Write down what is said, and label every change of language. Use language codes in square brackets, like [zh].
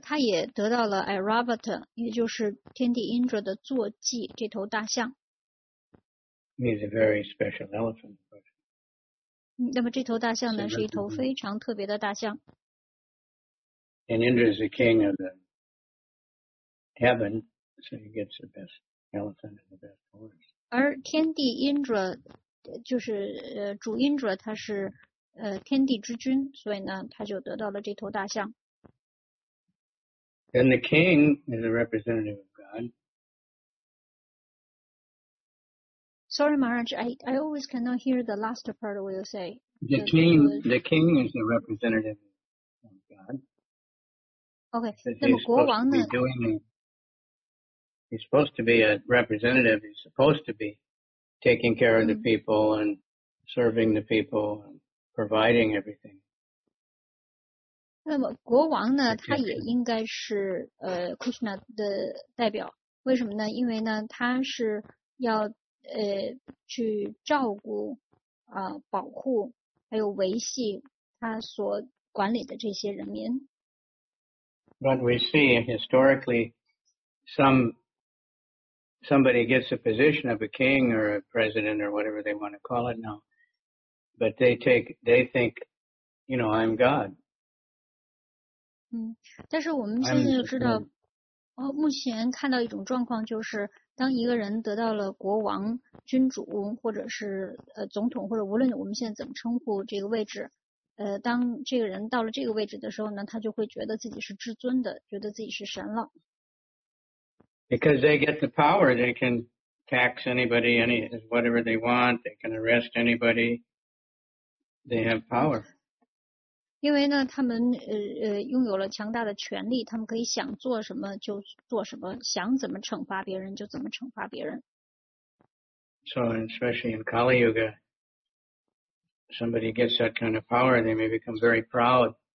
[zh] 他也得到了 Airavata, 也就是天帝 Indra 的坐骑，这头大象。 [en] He's a very special elephant. [zh] 那么这头大象呢，是一头非常特别的大象。 [en] And Indra is the king of the heaven, so he gets the best elephant and the best horse. [zh] 而天帝 Indra 就是主 Indra, 他是天帝之君，所以呢，他就得到了这头大象。 [en] Then the king is a representative of God. Sorry, Maharaj, I always cannot hear the last part of what you say. The king is a representative of God. [zh] Okay, 那么国王呢 [en] he's supposed to be a representative. He's supposed to be taking care of the people and serving the people and providing everything. [zh] 那么国王呢，他也应该是Krishna 的代表。为什么呢？因为呢，他是要去照顾保护还有维系他所管理的这些人民。 [en] But we see historically somebody gets a position of a king or a president or whatever they want to call it now, but they think, you know, I'm God. [zh] 但是我们现在就知道目前看到一种状况，就是当一个人得到了国王、君主或者是总统，或者无论我们现在怎么称呼这个位置，当这个人到了这个位置的时候呢，他就会觉得自己是至尊的，觉得自己是神了。 [en] Because they get the power, they can tax anybody, whatever they want, they can arrest anybody, they have power. [zh] 因为呢，他们拥有了强大的权力，他们可以想做什么就做什么，想怎么惩罚别人就怎么惩罚别人。 [en] So especially in Kali Yuga, somebody gets that kind of power, they may become very proud.